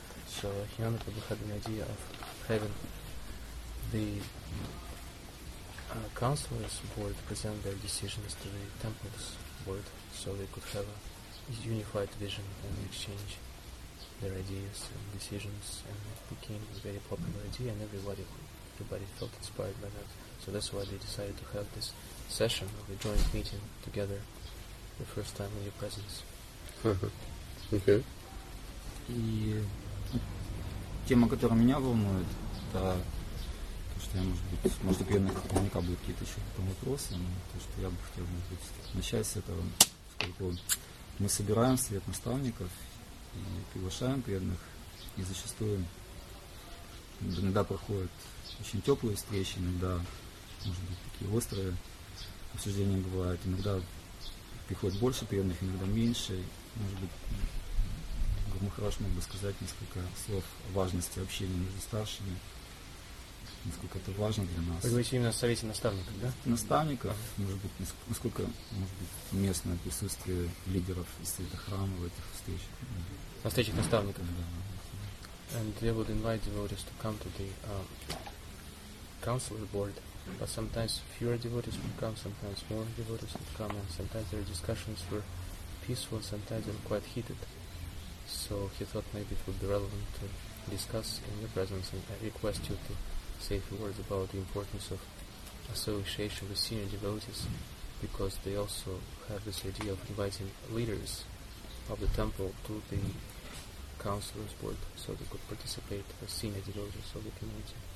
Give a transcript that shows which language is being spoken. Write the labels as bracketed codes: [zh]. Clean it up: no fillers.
[en] So Hinayana Prabhu had an idea of having the counselors' board present their decisions to the temple's board, so they could have a unified vision and exchange their ideas and decisions, and it became a very popular idea, and everybody felt inspired by that. So that's why they decided to have this session of a joint meeting together, the first time in your presence. Okay. [ru] И тема, которая меня волнует, это то, что я, может быть, может, у первых наверняка будут какие-то еще там вопросы, но то, что я бы хотел, может быть, начать с этого, поскольку мы собираем совет наставников и приглашаем преданных, и зачастую иногда проходят очень теплые встречи, иногда, может быть, такие острые обсуждения бывают. Иногда приходит больше преданных, иногда меньше. Может быть, Гуру Махарадж мог бы сказать несколько слов о важности общения между старшими. Насколько это важно для нас. Вы говорите именно о совете наставников, да? Наставников. Ага. Может быть, насколько, может быть, местное присутствие лидеров из света храма в этих встречах. На встречах наставников? Да. [en] And they would invite devotees to come to the council board. But sometimes fewer devotees would come, sometimes more devotees would come, and sometimes their discussions were peaceful, sometimes they were quite heated. So he thought maybe it would be relevant to discuss in your presence and request you to say a few words about the importance of association with senior devotees, because they also have this idea of inviting leaders of the temple to the counselors' board, so they could participate as senior devotees of the community.